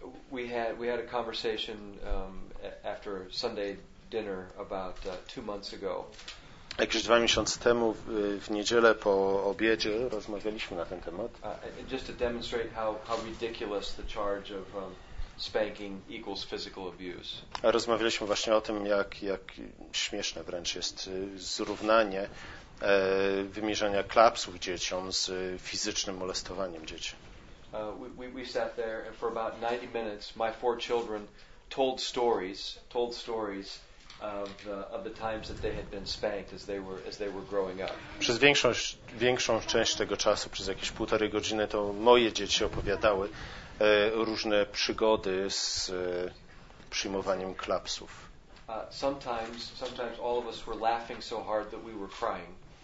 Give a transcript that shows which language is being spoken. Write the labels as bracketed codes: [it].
[en] We had a conversation after Sunday dinner about 2 months ago. [pl] Jakieś dwa miesiące temu w niedzielę po obiedzie rozmawialiśmy na ten temat. [en] Just to demonstrate how ridiculous the charge of spanking equals physical abuse. [pl] A rozmawialiśmy właśnie o tym, jak śmieszne wręcz jest zrównanie wymierzania klapsów dzieciom z fizycznym molestowaniem dzieci. [en] We sat there and for about 90 minutes my four children told stories of the times that they had been spanked as they were growing up. [pl] Przez większą część tego czasu, przez jakieś półtorej godziny, to moje dzieci opowiadały różne przygody z przyjmowaniem klapsów. [en] Sometimes all of us were laughing so hard that we were crying.